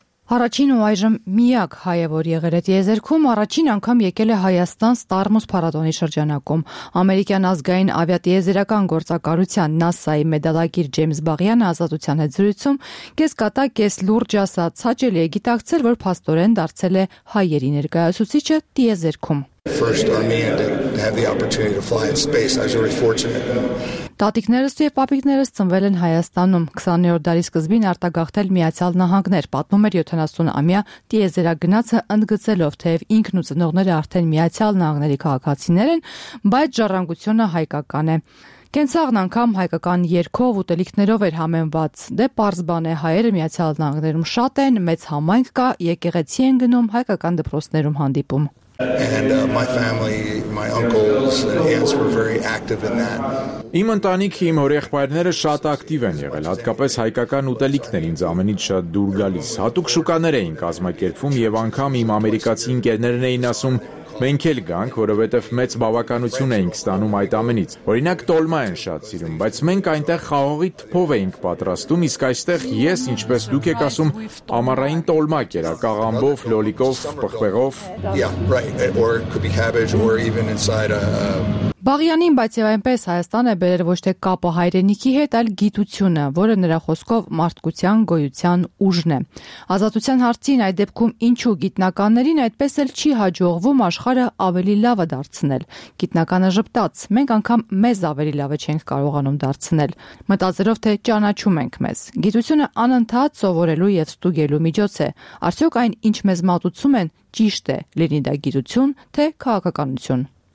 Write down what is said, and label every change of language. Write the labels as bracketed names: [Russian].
[Armenian] Առաջին ու այժմ միակ հայ է, որ եղել է տիեզերքում, առաջին անգամ եկել է Հայաստան Ստարմուս փառատոնի շրջանակում։ Ամերիկյան ազգային ավիատիեզերական գործակալության NASA-ի մեդալագիր Ջեմս Բաղյանը ազատության հետ զրույցում կես կատա, կես լուրջ ասաց, հաճելի է գիտակցել, որ փաստորեն դարձել է հայերի ներկայացուցիչը տիեզերքում։ [English] First Armenian to have the opportunity to fly in space. I was very fortunate. [Armenian] Տատիկներս ու պապիկներս ծնվել են Հայաստանում, 20-րդ դարի սկզբին արտագաղթել Միացյալ Նահանգներ, պատմում էր 70-ամյա տիեզերագնացը, ընդգծելով, թեև ինքն ու ծնողները արդեն Միացյալ Նահանգների քաղաքացիներ են, բայց ժառանգությունը հայկական է։ Կենցաղն անգամ հայկական երգով, ուտելիքներով էր համեմված, դե պարզ բան է, հայերը Միացյալ Նահանգներում շատ են, մեծ համայնք կա, եկեղեցի են գնում, հայկական դպրոցներում հանդիպում։ [English] And my family, my uncles and aunts were very active in that. [Armenian] Իմ ընտանիքի իմ օրեխպայրները շատ ակտիվ են եղել, հատկապես հայկական ուտելիքներ ինձ ամենից շատ դուր գալիս։ Հատուկ շուկաներ էին կազմակերպվում եւ անգամ իմ ամերիկացի ընկերներն էին ասում, մենք էլ գանք, որովհետեւ մեծ բավականություն էինք ստանում այդ ամենից։ Օրինակ տոլմա են շատ սիրում, բայց մենք այնտեղ խաղողի թփով էինք պատրաստում, իսկ այստեղ ես, ինչպես դուք եք ասում, ամառային տոլմա կերա, կաղամբով, լոլիկով, պղպեղով։ [English] Yeah, right. Or it could be cabbage or even inside a [Armenian] Բաղյանին բայց եւ այնպես Հայաստանը բերեր ոչ թե կապը հայրենիքի հետ, այլ գիտությունը, որը նրա խոսքով մարդկության գոյության ուժն է։ Ազատության հարցին այդ դեպքում ինչու գիտնականներին այդպես էլ չի հաջողվում աշխարհը ավելի լավը դարձնել։ Գիտնականը ժպտաց, մենք անգամ մեզ ավելի լավը չենք կարողանում դարձնել, մտածելով թե ճանաչում ենք մեզ։ Գիտությունը անընդհատ սովորելու եւ ստուգելու միջոց է։ Արդյոք այն, ինչ մեզ մատուցում են, ճիշտ է, լինի դա գիտություն, թե քաղաքականություն։